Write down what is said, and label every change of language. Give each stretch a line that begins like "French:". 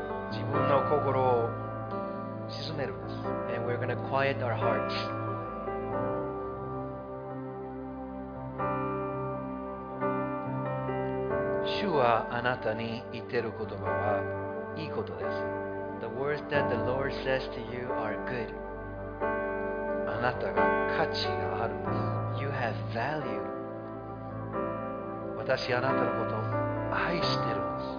Japanese: 自分の心を静めるんです。
English: And we're gonna quiet our hearts.
Japanese: あなたに言ってる言葉はいいことです。
English: The words that the Lord says to you are good.
Japanese: あなたが価値があるんです。
English: You have value.
Japanese: 私あなたのことを愛してるんです。